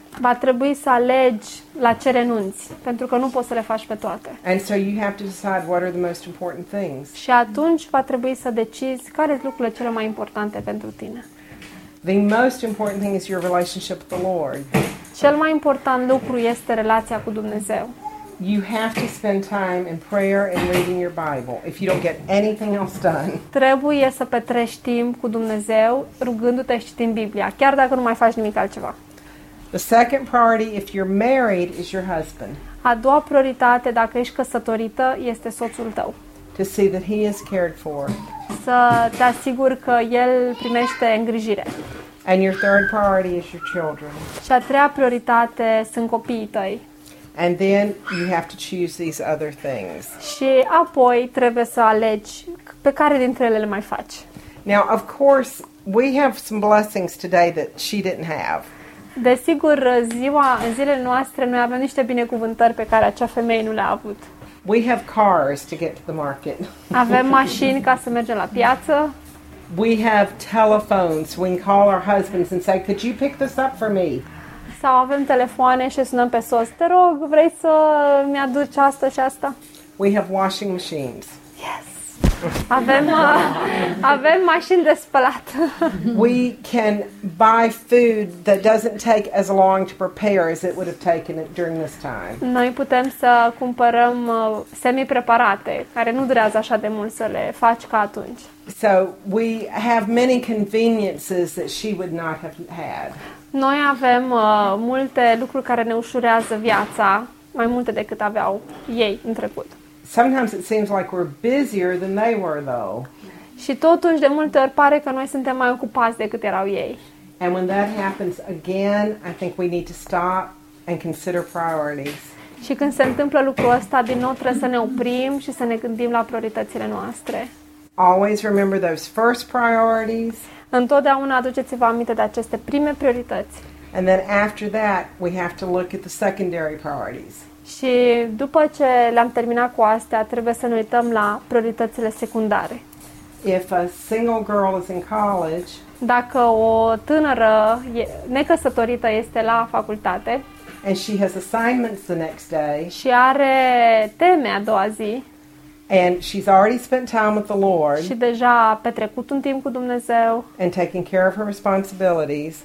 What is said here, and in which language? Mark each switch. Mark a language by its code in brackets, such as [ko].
[ro] Va trebui să alegi la ce renunți, pentru că nu poți să le faci pe toate. [en] And so you have to decide what are the most important things. [ro] Și atunci va trebui să decizi care sunt lucrurile cele mai importante pentru tine. [en] The most important thing is your relationship with the Lord. [ro] Cel mai important lucru este relația cu Dumnezeu. [en] You have to spend time in prayer and reading your Bible if you don't get anything else done. [ro] Trebuie să petreci timp cu Dumnezeu rugându-te și citind Biblia, chiar dacă nu mai faci nimic altceva. [en] The second priority if you're married is your husband. [ro] A doua prioritate dacă ești căsătorită este soțul tău. [en] To see that he is cared for. [ro] Să te asiguri că el primește îngrijire. [en] And your third priority is your children. [ro] Și a treia prioritate sunt copiii tăi. [en] And then you have to choose these other things. [ro] Și apoi trebuie să alegi pe care dintre ele le mai faci. [en] Now, of course, we have some blessings today that she didn't have. [ro] Desigur, zilele noastre noi avem niște binecuvântări pe care acea femeie nu le-a avut. [en] We have cars to get to the market. [ro] Avem mașini ca să mergem la piață. [en] We have telephones. We can call our husbands and say, "Could you pick this up for me?" [ro] Sau avem telefoane și sunăm pe soț. Te rog, vrei să mi-aduci asta și asta? [en] We have washing machines. Yes. [ro] Avem mașini de spălat. [en] We can buy food that doesn't take as long to prepare as it would have taken it during this time. [ro] Noi putem să cumpărăm semi-preparate care nu durează așa de mult să le faci ca atunci. [en] So we have many conveniences that she would not have had. [ro] Noi avem multe lucruri care ne ușurează viața, mai multe decât aveau ei în trecut. [en] Sometimes it seems like we're busier than they were, though. [ro] Și totuși, de multe ori, pare că noi suntem mai ocupați decât erau ei. [en] And when that happens again, I think we need to stop and consider priorities. [ro] Și când se întâmplă lucrul ăsta, din nou trebuie să ne oprim și să ne gândim la prioritățile noastre. [en] Always remember those first priorities. [ro] Întotdeauna aduceți-vă aminte de aceste prime priorități. [en] And then after that, we have to look at the secondary priorities. [ro] Și după ce le-am terminat cu astea, trebuie să ne uităm la prioritățile secundare. [en] If a single girl is in college, [ro] dacă o tânără necăsătorită este la facultate [en] and she has assignments the next day, [ro] și are teme a doua zi [en] and she's already spent time with the Lord, [ro] și deja a petrecut un timp cu Dumnezeu [en] and taking care of her responsibilities,